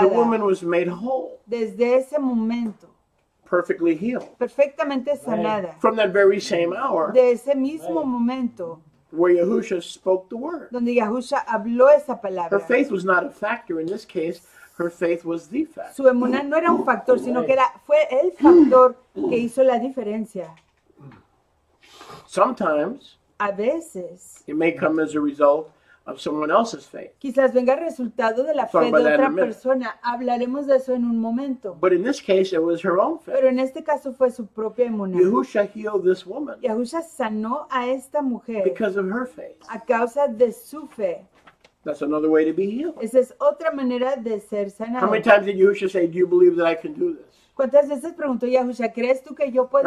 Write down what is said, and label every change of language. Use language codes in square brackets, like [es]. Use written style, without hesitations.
[en] And the woman was made whole. [es] Desde ese momento. [en] Perfectly healed. [es] Perfectamente sanada. Right. [en] From that very same hour. [es] De ese mismo right. momento. [en] Where Yahusha spoke the word. [es] Donde Yahusha habló esa palabra. [en] Her faith was not a factor in this case. Her faith was the factor. [es] Su emuná no era un factor, sino right. que era, fue el factor que hizo la diferencia. [en] Sometimes. [es] A veces. [en] It may come as a result of someone else's faith. [es] Quizás venga resultado de la fe de otra persona. Hablaremos de eso en un momento. [en] But in this case, it was her own faith. [es] Pero en este caso fue su propia emuná. [en] Yahusha healed this woman. [es] Yahusha sanó a esta mujer. [en] Because of her faith. [es] A causa de su fe. [en] That's another way to be healed. [es] Esa es otra manera de ser sanado. [en] How many times did Yahusha say, "Do you believe that I can do this?" [es] ¿Cuántas veces preguntó Yahusha, ¿crees tú que yo puedo